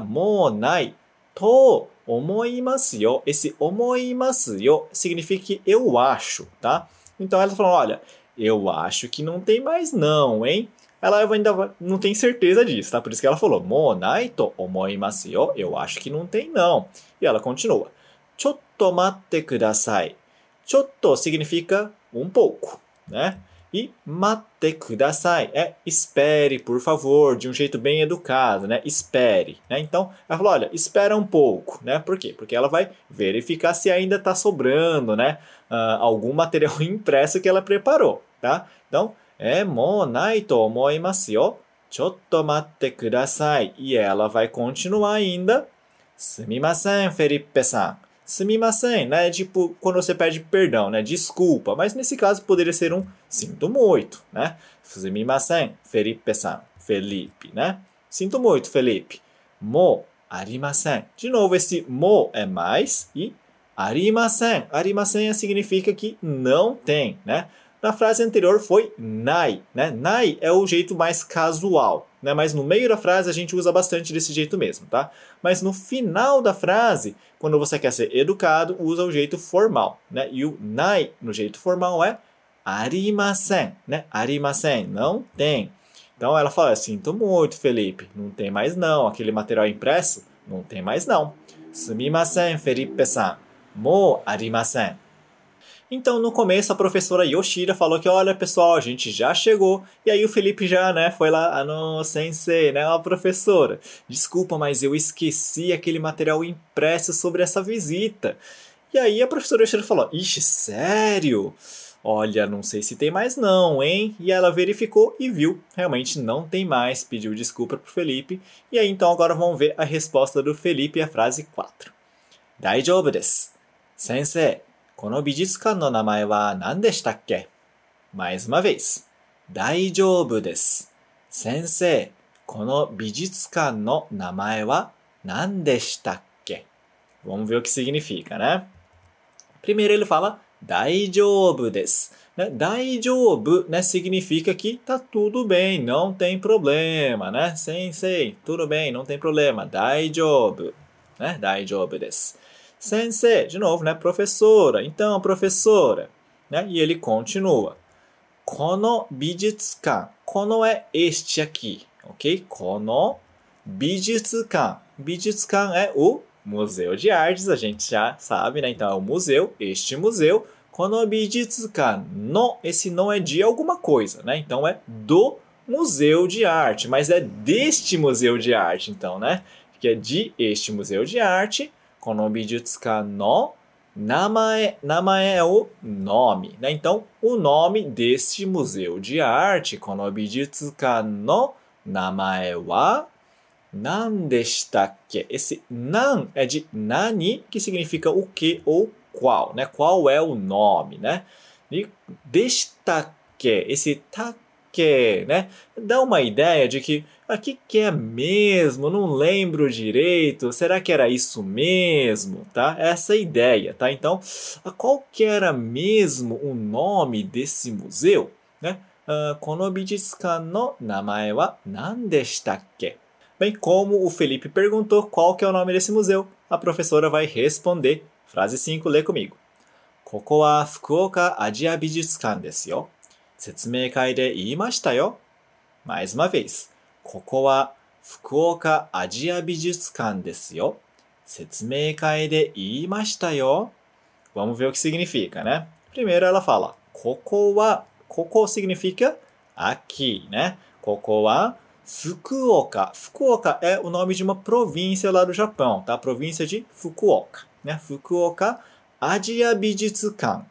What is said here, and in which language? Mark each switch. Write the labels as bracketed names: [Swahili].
[Japanese] More ないと思いますよ. [Portuguese] Esse 思いますよ significa que eu acho, tá? Então ela falou, olha, eu acho que não tem mais não, hein? Ela ainda não tem certeza disso, tá? Por isso que ela falou, [Japanese] もうないと思いますよ. [Portuguese] Eu acho que não tem não. E ela continua, [Japanese] ちょっと待ってください. [Portuguese] ちょっと significa um pouco, né? E [Japanese] 待ってください [Portuguese] é espere, por favor, de um jeito bem educado, né? Espere, né? Então, ela falou, olha, espera um pouco, né? Por quê? Porque ela vai verificar se ainda está sobrando, né? Algum material impresso que ela preparou, tá? [Japanese] Então, é もうないと思いますよ。ちょっと待ってください。 [Portuguese] E ela vai continuar ainda. [Japanese] すみません、フェリッペさん。すみません、né? [Portuguese] Tipo, quando você pede perdão, né? Desculpa. Mas nesse caso poderia ser um sinto muito, né? [Japanese] すみません、フェリッペさん。 [Portuguese] Felipe, né? Sinto muito, Felipe. [Japanese] もうありません。 [Portuguese] De novo, esse もう é mais e ありません. ありません significa que não tem, né? Na frase anterior foi ない, né? ない é o jeito mais casual, né? Mas no meio da frase a gente usa bastante desse jeito mesmo, tá? Mas no final da frase, quando você quer ser educado, usa o jeito formal, né? E o ない no jeito formal é ありません, né? ありません, não tem. Então ela fala, sinto muito, Felipe, não tem mais não. Aquele material impresso, não tem mais não. [Japanese] すみません, Felipe-san, もうありません. [Portuguese] Então, no começo, a professora Yoshida falou que, olha, pessoal, a gente já chegou. E aí o Felipe já, né, foi lá, ah, não, sensei, né, a professora. Desculpa, mas eu esqueci aquele material impresso sobre essa visita. E aí a professora Yoshida falou, ixi, sério? Olha, não sei se tem mais não, hein? E ela verificou e viu, realmente não tem mais, pediu desculpa pro Felipe. E aí, então, agora vamos ver a resposta do Felipe à frase 4. [Japanese] 大丈夫です。先生。この美術館の名前は何でしたっけ? [Portuguese] Mais uma vez. [Japanese] 大丈夫です。先生、この美術館の名前は何でしたっけ? [Portuguese] Vamos ver o que significa, né? Primeiro ele fala 大丈夫です。 [Japanese] Né? 大丈夫 né? [Portuguese] significa que tá tudo bem, não tem problema, né? 先生、tudo bem, não tem problema. 大丈夫。Né? [Japanese] 大丈夫です。 [Portuguese] Sensei, de novo, né? Professora. Então, professora. Né? E ele continua. Kono bijutsukan. Kono é este aqui. Ok? [Japanese] Kono bijutsukan. [Portuguese] Bijutsukan é o museu de artes. A gente já sabe, né? Então, é o museu. Este museu. Kono bijutsukan. No. Esse no é de alguma coisa, né? Então, é do museu de arte. Mas é deste museu de arte, então, né? Que é de este museu de arte. [Japanese] この美術館の名前、名前 [Portuguese] é o nome, né? Então, o nome deste museu de arte, [Japanese] この美術館の名前は何でしたっけ? [Portuguese] Esse 何 é de 何, que significa o que ou qual, né? Qual é o nome, né? E でしたっけ? Esse たっけ, né? Dá uma ideia de que aqui que é mesmo, não lembro direito, será que era isso mesmo, tá? Essa ideia, tá? Então, qual que era mesmo o nome desse museu, né? [Japanese] この美術館の名前は何でしたっけ? [Portuguese] Bem, como o Felipe perguntou qual que é o nome desse museu, a professora vai responder. Frase 5, lê comigo. [Japanese] ここは福岡アジア美術館ですよ。説明会で言いましたよ。 [Portuguese] Mais uma vez. [Japanese] ここは福岡アジア美術館ですよ。説明会で言いましたよ。 [Portuguese] Vamos ver o que significa, né? Primeiro ela fala, ここは、ここ significa aqui, né? [Japanese] ここは福岡。 [Portuguese] 福岡 é o nome de uma província lá do Japão, tá? Província de Fukuoka, né? Fukuoka [Japanese] Ajia Bijutsukan,